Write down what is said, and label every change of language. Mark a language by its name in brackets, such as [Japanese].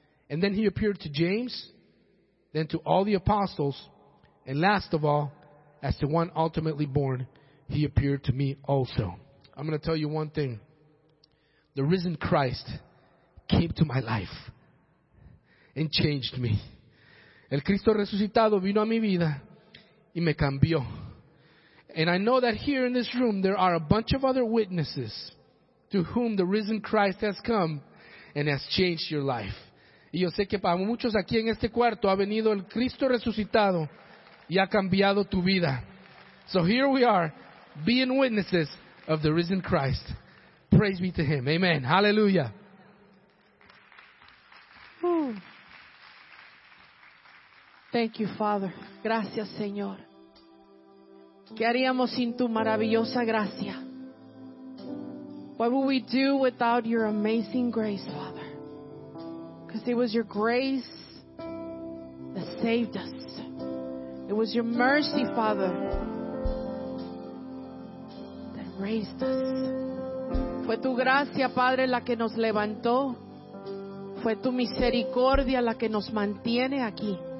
[English] And then he appeared to James, then to all the apostles, and last of all, as to one ultimately born, he appeared to me also." I'm going to tell you one thing. The risen Christ came to my life and changed me. [Spanish] El Cristo resucitado vino a mi vida y me cambió. [English] And I know that here in this room there are a bunch of other witnesses to whom the risen Christ has come and has changed your life. [Spanish] Y yo sé que para muchos aquí en este cuarto ha venido el Cristo resucitado y ha cambiado tu vida. [English] So here we are, being witnesses of the risen Christ. Praise be to him. Amen. Hallelujah. Thank you, Father. [Spanish] Gracias, Señor. ¿Qué haríamos sin tu maravillosa gracia? [English] What would we do without your amazing grace, Father? Because it was your grace that saved us. It was your mercy, Father, that raised us. [Spanish] Fue tu gracia, Padre, la que nos levantó. Fue tu misericordia la que nos mantiene aquí.